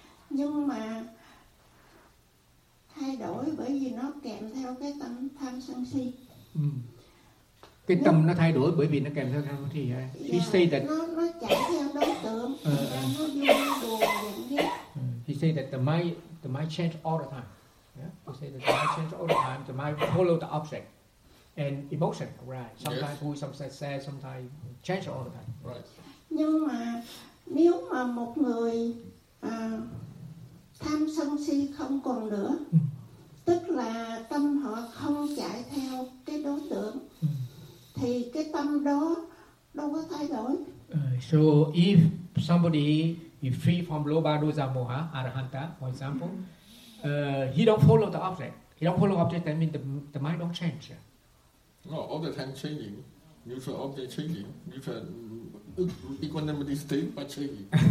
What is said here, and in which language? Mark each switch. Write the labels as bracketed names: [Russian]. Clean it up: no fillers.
[Vietnamese] Nhưng mà thay đổi bởi vì nó kèm theo cái tâm tham sân si. Cái tâm nó thay đổi bởi vì nó kèm theo tham sân si. [English] He say that [Vietnamese] nó chạy theo đối tượng. Nó vui buồn giận ghét. [English] He say that the mind change all the time. Yeah? He say that the mind change all the time. The mind follow the object and emotion, right? Sometimes yes. Vui, sometimes sad, sometimes change all the time. Right. [Vietnamese] Nhưng mà nếu mà một người tham sân si không còn nữa, tức là tâm họ không chạy theo cái đối tượng, thì cái tâm đó đâu có thay đổi. [English] So if somebody is free from lobha dosa moha arahanta, for example, he don't follow the object. He don't follow object, that means the mind don't change. No, all the time changing. Neutral object changing. Neutral equanimity state but changing.